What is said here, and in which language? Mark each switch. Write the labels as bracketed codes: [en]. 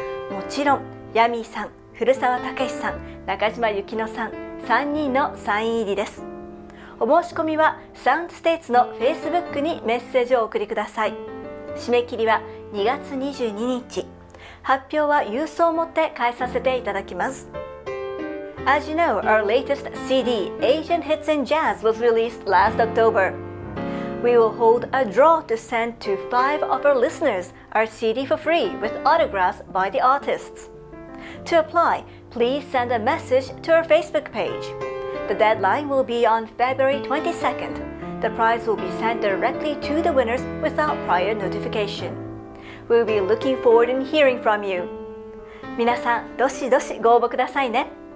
[ja] もちろんヤミーさん、古澤武さん、中島由紀乃さん3人のサイン入りです。お申し込みはサウンドステイツの Facebook にメッセージをお送りください。締め切りは2月22日。発表は郵送をもって返させていただきます。 [en] As you know, our latest CD, Asian Hits and Jazz, was released last October. We will hold a draw to send to 5 of our listeners our CD for free with autographs by the artists. To apply, please send a message to our Facebook page. The deadline will be on February 22nd. The prize will be sent directly to the winners without prior notification. We'll be looking forward in hearing from you. [ja] 皆さん、どしどしご応募くださいね。